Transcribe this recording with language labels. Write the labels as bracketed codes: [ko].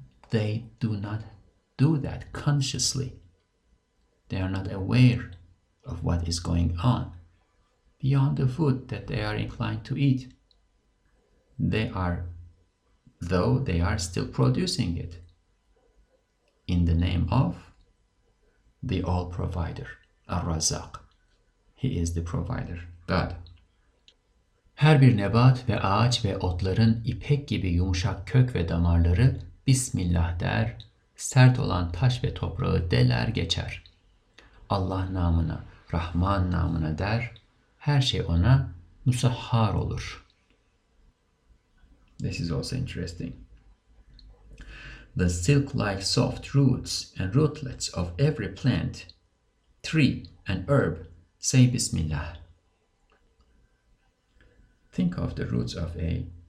[en] They do not do that consciously. They are not aware of what is going on beyond the food that they are inclined to eat. They are, though they are still producing it in the name of the All Provider, Ar-Razzaq. He is the Provider, God. [tr] Her bir nebat ve ağaç ve otların ipek gibi yumuşak kök ve damarları Bismillah der, sert olan taş ve toprağı deler geçer. Allah namına, Rahman namına der, her şey ona musahhar olur. [en] This is also interesting. The silk-like soft roots and rootlets of every plant, tree, and herb say Bismillah. Think of the roots of a...